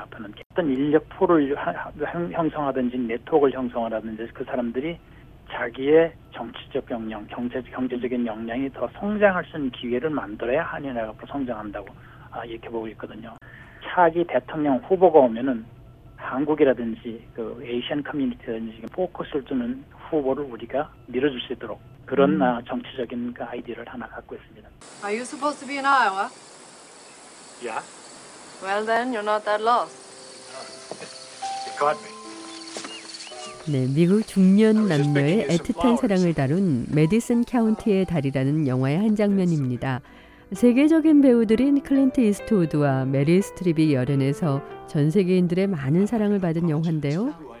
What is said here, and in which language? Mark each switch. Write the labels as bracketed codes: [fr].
[ko] 앞으로는 어떤 인력 풀을 형성하든지 네트워크를 형성하든지 그 사람들이 자기의 정치적 역량, 경제적인 역량이 더 성장할 수 있는 기회를 만들어야 한인회가 앞으로 성장한다고 이렇게 보고 있거든요. 차기 대통령 후보가 오면은 한국이라든지 그 에이션 커뮤니티라든지 포커스를 두는 후보를 우리가 밀어줄 수 있도록 그런 정치적인 그 아이디어를 하나 갖고 있습니다. [en] Are you supposed to be in Iowa? Yeah. Well then, you're not that lost. You caught me. [ko] 네, 미국 중년 남녀의 애틋한 사랑을 다룬 매디슨 카운티의 달이라는 영화의 한 장면입니다. 세계적인 배우들인 클린트 이스트우드와 메릴 스트립이 열연해서 전 세계인들의 많은 사랑을 받은 영화인데요.